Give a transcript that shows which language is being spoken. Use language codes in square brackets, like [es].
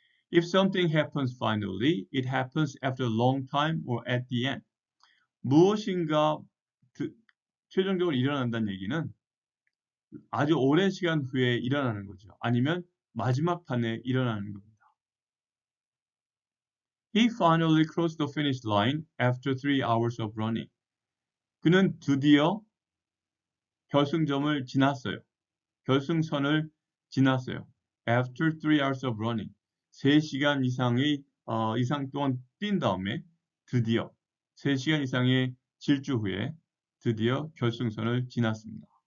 [en] If something happens finally, it happens after a long time or at the end. [ko] 무엇인가 최종적으로 일어난다는 얘기는 아주 오랜 시간 후에 일어나는 거죠. 아니면 마지막 판에 일어나는 겁니다. He finally crossed the finish line after 3 hours of running. 그는 드디어 결승점을 지났어요. 결승선을 지났어요. [en] After 3 hours of running. [ko] 3시간 이상의, 이상 동안 뛴 다음에 드디어 3시간 이상의 질주 후에 드디어 결승선을 지났습니다.